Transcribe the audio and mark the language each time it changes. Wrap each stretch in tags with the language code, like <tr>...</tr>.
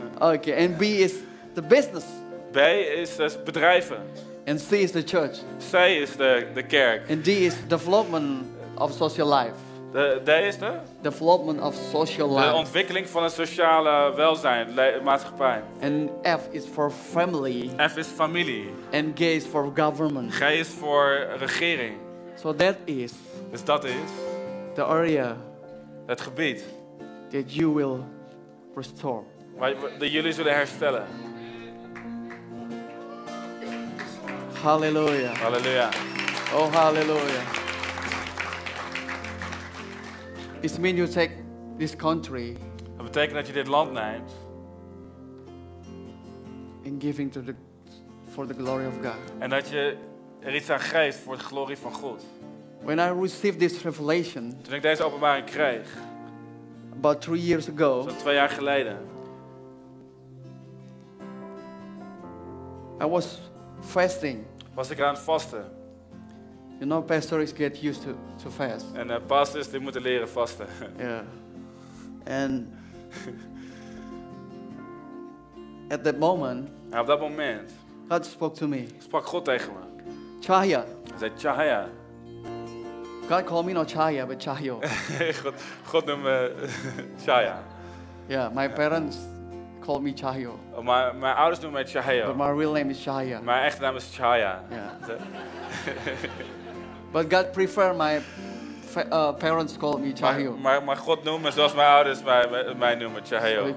<en>Okay, and B is the business.</en> <nl>B is bedrijven.</nl> <en>And C is the church.</en> <nl>C is de kerk.</nl> <en>And D is development of social life.</en> <nl>D is de?</nl> <en>Development of social life.</en> <nl>De ontwikkeling van het sociale welzijn, maatschappij.</nl> <en>And F is for family.</en> <nl>F is familie.</nl> <en>And G is for government.</en> <nl>G is voor regering.</nl> <en>So that is.</en> <nl>Dus dat is.</nl> <en>The area.</en> <nl>Het gebied.</nl> <en>That you will restore.</en> <nl>Dat jullie zullen herstellen.</nl> <en>Halleluja.</en> <nl>Halleluja.</nl> <en>Oh, halleluja. It means you take this country.</en> <nl>Dat betekent dat je dit land neemt.</nl> <en>And giving to the for the glory of God.</en> <nl>En dat je er iets aan geeft voor de glorie van God.</nl> <en>When I received this revelation.</en> <nl>Toen ik deze openbaring kreeg.</nl> <en>About 3 years ago.</en> <nl>Zo'n 2 jaar geleden.</nl> <en>I was fasting.</en> <nl>Was ik aan het vasten.</nl> <en>You know, pastors get used to fast.</en> <nl>En pastors die moeten leren vasten.</nl> <en>Yeah. And at that moment.</en> <nl>En op dat moment.</nl> <en>God spoke to me.</en> <nl>Sprak God tegen me.</nl> <en>Chaya.</en> <nl>Hij zei Chaya.</nl> <en>God called me not Chaya, but Chayo.</en> <nl>God noemt me Chaya.</nl> <en>Yeah, my parents called me Chayo.</en> <nl>Mijn ouders noemen mij Chayo.</nl> <en>But my real name is Chaya.</en> <nl>Mijn echte naam is Chaya.</nl> <en>Yeah. But God preferred my parents called me Chayo.</en> <nl>Maar God noemt me zoals mijn ouders mij noemen Chayo.</nl>